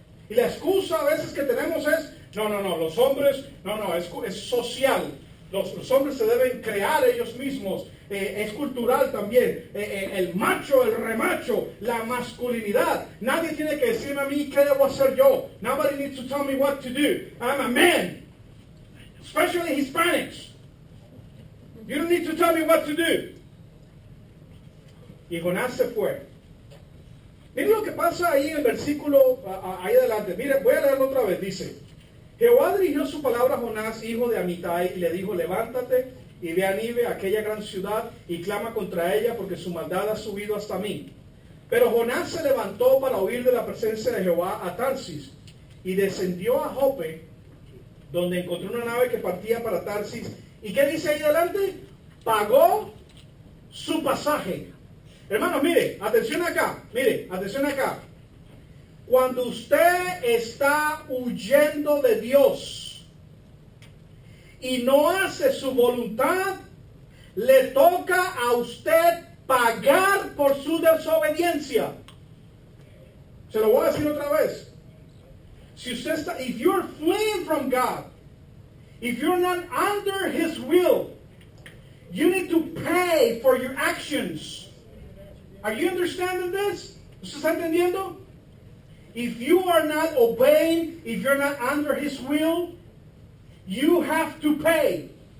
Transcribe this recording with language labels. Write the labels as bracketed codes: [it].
[es] Y la excusa a veces que tenemos es, es social. Los hombres se deben crear ellos mismos. Es cultural también. El macho, el remacho, la masculinidad. Nadie tiene que decirme a mí qué debo hacer yo. [en] Nobody needs to tell me what to do. I'm a man. Especially Hispanics. You don't need to tell me what to do. [es] Y Jonás se fue. Miren lo que pasa ahí en el versículo, ahí adelante. Miren, voy a leerlo otra vez. Dice, Jehová dirigió su palabra a Jonás, hijo de Amitai, y le dijo, levántate y ve a Nínive, aquella gran ciudad, y clama contra ella, porque su maldad ha subido hasta mí. Pero Jonás se levantó para huir de la presencia de Jehová a Tarsis, y descendió a Jope, donde encontró una nave que partía para Tarsis. ¿Y qué dice ahí adelante? Pagó su pasaje. Hermanos, mire, atención acá, Cuando usted está huyendo de Dios y no hace su voluntad, le toca a usted pagar por su desobediencia. Se lo voy a decir otra vez. Si usted está, [en] if you're fleeing from God, if you're not under His will, you need to pay for your actions. Are you understanding this? [es] ¿Usted está entendiendo? [en] If you are not obeying, if you're not under His will, you have to pay.